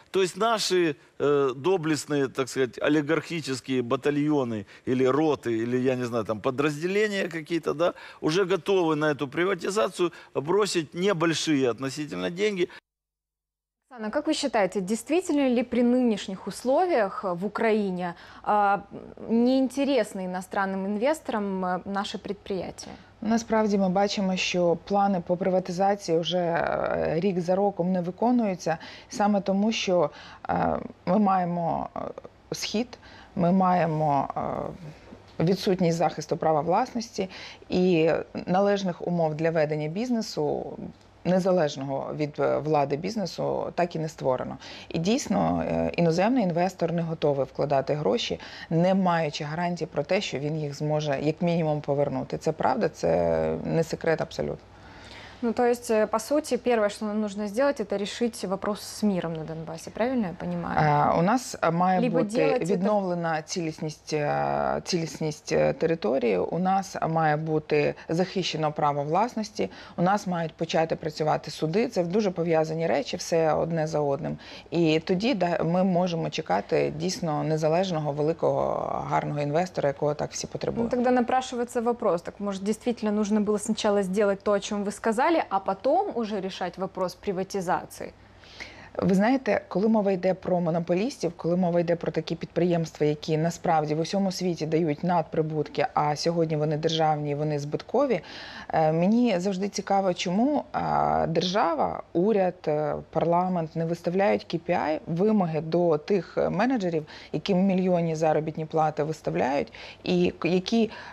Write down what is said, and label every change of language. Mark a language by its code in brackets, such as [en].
[ru] То есть наши доблестные, так сказать, олигархические батальоны или роты, или, я не знаю, там подразделения какие-то, да, уже готовы на эту приватизацию бросить небольшие относительно деньги. Оксана, как вы считаете, действительно ли при нынешних условиях в Украине неинтересны иностранным инвесторам наши предприятия? [uk] Насправді ми бачимо, що плани по приватизації вже рік за роком не виконуються, саме тому, що ми маємо схід, ми маємо відсутність захисту права власності і належних умов для ведення бізнесу, незалежного від влади бізнесу, так і не створено. І дійсно, іноземний інвестор не готовий вкладати гроші, не маючи гарантії про те, що він їх зможе як мінімум повернути. Це правда, це не секрет абсолютно. [ru] Ну, то есть, по сути, первое, что нам нужно сделать, это решить вопрос с миром на Донбассе. Правильно я понимаю? [uk] У нас має бути відновлена цілісність території, у нас має бути захищено право власності, у нас мають почати працювати суди. Це дуже пов'язані речі, все одне за одним. І тоді ми можемо чекати дійсно незалежного, великого, гарного інвестора, якого так всі потребують. [ru] Ну, тогда напрашивается вопрос. Так, может, действительно нужно было сначала сделать то, о чем вы сказали, а потом уже решать вопрос приватизации? [uk] Ви знаєте, коли мова йде про монополістів, коли мова йде про такі підприємства, які насправді в усьому світі дають надприбутки, а сьогодні вони державні, вони збиткові, мені завжди цікаво, чому держава, уряд, парламент не виставляють KPI, вимоги до тих менеджерів, яким мільйонні заробітні плати виставляють, і які,